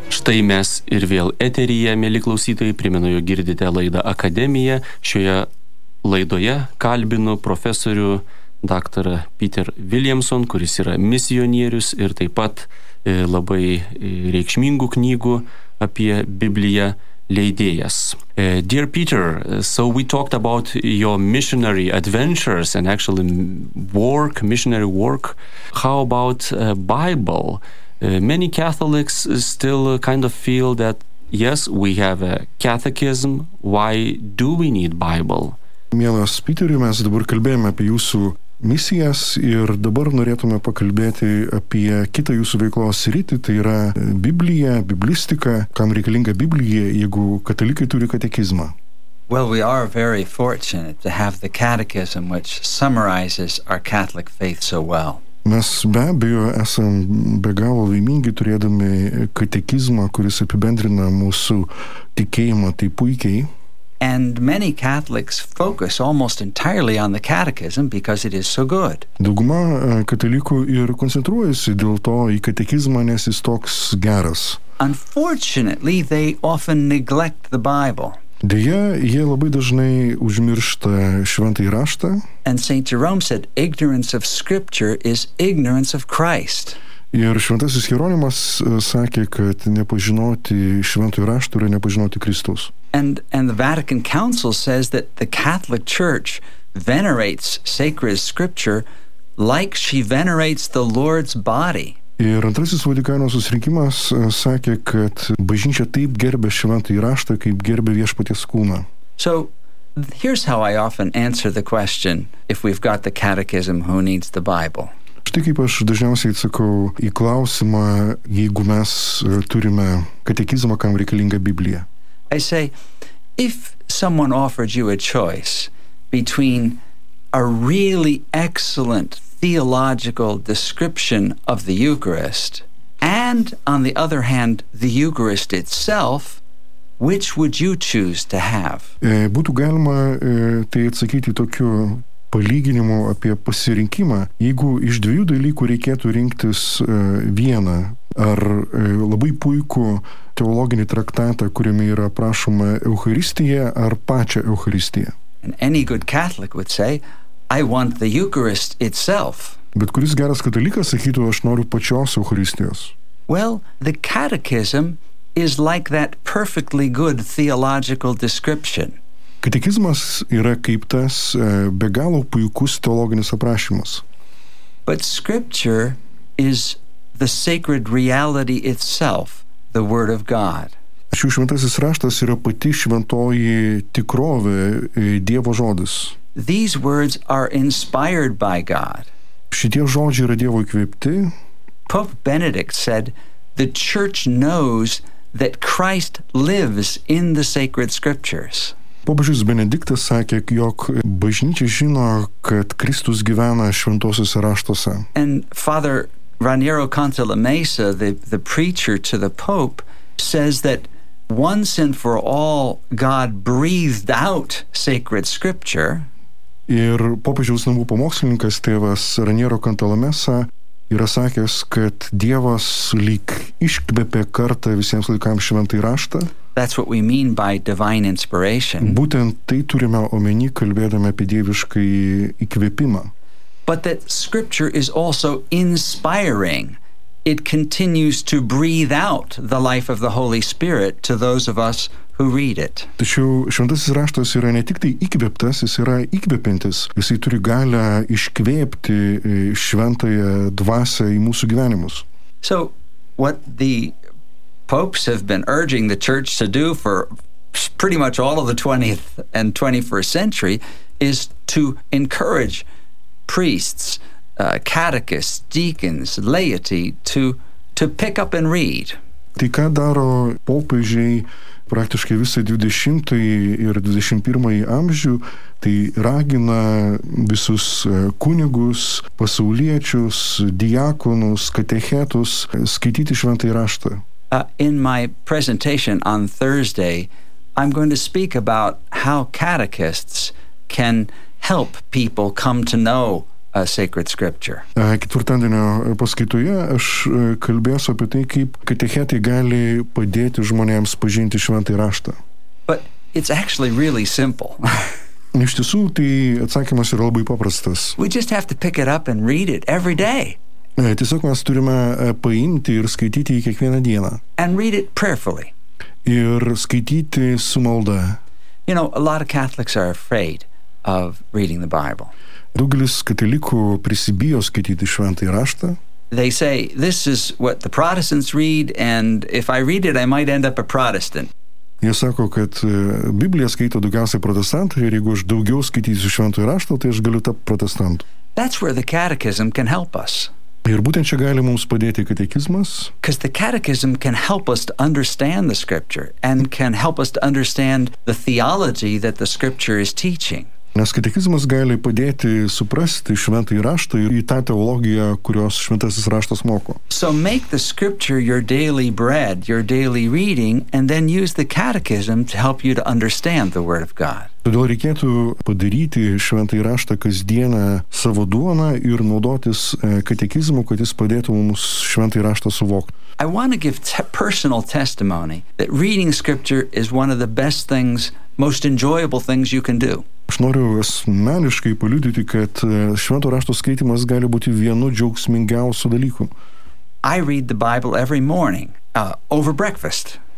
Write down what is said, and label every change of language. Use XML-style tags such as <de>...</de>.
<lt>Tai mes ir vėl eteryje, mėly klausytojai, primenu, jog girdite laidą Akademija. Šioje laidoje kalbinu profesorių daktarą Peter Williamson, kuris yra misionierius ir taip pat labai reikšmingų knygų apie Bibliją leidėjas.</lt> <en>Dear Peter, so we talked about your missionary adventures and actually work, missionary work. How about Bible? Many Catholics still kind of feel that, yes, we have a catechism, why do we need Bible?</en> <lt>Mielas Peteriu, mes dabar kalbėjome apie jūsų misijas ir dabar norėtume pakalbėti apie kitą jūsų veiklos rytį, tai yra Biblija, biblistika, kam reikalinga Biblija, jeigu katalikai turi katekizmą.</lt> <en>Well, we are very fortunate to have the catechism, which summarizes our Catholic faith so well.</en> <lt>Mes be abejo esam be galo laimingi turėdami katekizmą, kuris apibendrina mūsų tikėjimą taip puikiai.</lt> <en>And many Catholics focus almost entirely on the catechism because it is so good.</en> <lt>Dauguma katalikų ir koncentruojasi dėl to į katekizmą, nes jis toks geras.</lt> <en>Unfortunately, they often neglect the Bible.</en> <lt>Deja, jie labai dažnai užmiršta šventąjį raštą.</lt> <en>And Saint Jerome said, ignorance of scripture is ignorance of Christ.</en> <lt>Ir šventasis Hieronimas sakė, kad nepažinoti šventųjų raštų yra nepažinoti Kristaus.</lt> <en>And the Vatican Council says that the Catholic Church venerates sacred scripture like she venerates the Lord's body.</en> <lt>Ir antrasis Vatikano susirinkimas sakė, kad bažnyčia taip gerbė šventąjį raštą, kaip gerbė viešpaties kūną.</lt> <en>So Here's how I often answer the question, if we've got the catechism, who needs the Bible?</en> <lt>Štai kaip aš dažniausiai atsakau į klausimą, jeigu mes turime katekizmą, kam reikalinga Biblija.</lt> <en>I say, if someone offered you a choice between a really excellent theological description of the Eucharist and, on the other hand, the Eucharist itself, which would you choose to have?</en> <lt>Būtų galima tai atsakyti tokiu palyginimu apie pasirinkimą, jeigu iš dviejų dalykų reikėtų rinktis vieną, ar labai puikų teologinį traktatą, kuriame yra prašoma Eucharistija, ar pačią Eucharistiją.</lt> <en>And any good Catholic would say, I want the Eucharist itself.</en> <lt>Bet kuris geras katalikas sakytų, aš noriu pačios Eucharistijos.</lt> <en>Well, the catechism is like that perfectly good theological description.</en> <lt>Katekizmas yra kaip tas be galo puikus teologinis aprašymas.</lt> <en>But scripture is the sacred reality itself, the word of God.</en> <lt>Šių šventasis raštas yra pati šventoji tikrovė, Dievo žodis.</lt> <en>These words are inspired by God.</en> <lt>Šitie žodžiai yra Dievo įkvėpti.</lt> <en>Pope Benedict said, the church knows that Christ lives in the sacred scriptures.</en> <lt>Popiežius Benediktas sakė, jog bažnyčia žino, kad Kristus gyvena šventosiuose raštuose.</lt> <en>And Father Raniero Cantalamessa, the preacher to the Pope, says that once and for all God breathed out sacred scripture.</en> <lt>Ir popiežiaus namų pamokslininkas tėvas Raniero Cantalamessa yra sakęs, kad Dievas lyg iškvėpė kartą visiems laikams šventąjį raštą.</lt> <en>That's what we mean by divine inspiration.</en> <lt>Būtent tai turime omeny, kalbėdami apie dievišką įkvėpimą.</lt> <en>But that scripture is also inspiring. It continues to breathe out the life of the Holy Spirit to those of us who read it.</en> <lt>Tačiau šventasis raštas yra ne tik tai įkvėptas, jis yra įkvėpintis. Jisai turi galę iškvėpti šventąją dvasę į mūsų gyvenimus.</lt> <en>So, what the popes have been urging the church to do for pretty much all of the 20th and 21st century is to encourage priests, catechists, deacons, laity to pick up and read.</en> <lt>Tai ką daro popiežiai praktiškai visą 20-ąjį ir 21-ąjį amžių, tai ragina visus kunigus, pasauliečius, diakonus, katechetus skaityti šventąjį raštą.</lt> <en>In my presentation on Thursday, I'm going to speak about how catechists can help people come to know a sacred scripture.</en> <lt>Ketvirtadienio paskaitoje aš kalbėsiu apie tai, kaip katechetai gali padėti žmonėms pažinti šventąjį raštą.</lt> <en>But it's actually really simple.</en> <lt>Iš tiesų, tai atsakymas yra labai paprastas.</lt> <en>We just have to pick it up and read it every day.</en> <lt>Tiesiog mes turime paimti ir skaityti jį kiekvieną dieną.</lt> <en>And read it prayerfully.</en> <lt>Ir skaityti su malda.</lt> <en>You know, a lot of Catholics are afraid of reading the Bible.</en> <lt>Daugelis katalikų prisibijo skaityti šventąjį raštą.</lt> <en>They say, this is what the Protestants read, and if I read it, I might end up a Protestant.</en> <lt>Jie sako, kad Bibliją skaito daugiausiai protestantai, ir jeigu aš daugiau skaitysiu šventąjį raštą, tai aš galiu tapti protestantu.</lt> <en>That's where the catechism can help us.</en> <lt>Ir būtent čia gali mums padėti katekizmas.</lt> <en>Because the catechism can help us to understand the scripture and can help us to understand the theology that the scripture is teaching.</en> <lt>Nes katekizmas gali padėti suprasti šventąjį raštą ir į tą teologiją, kurios šventasis raštas moko.</lt> <en>So make the scripture your daily bread, your daily reading, and then use the catechism to help you to understand the word of God.</en> <lt>Todėl reikėtų padaryti šventąjį raštą kasdieną savo duoną ir naudotis katekizmu, kad jis padėtų mums šventąjį raštą suvokti.</lt> <en>I want to give personal testimony that reading scripture is one of the best things, most enjoyable things you can do.</en> <lt>Aš noriu asmeniškai paliudyti, kad švento rašto skaitimas gali būti vienu džiaugsmingiausių dalykų.</lt> <en>I read the Bible every morning, over breakfast.</en>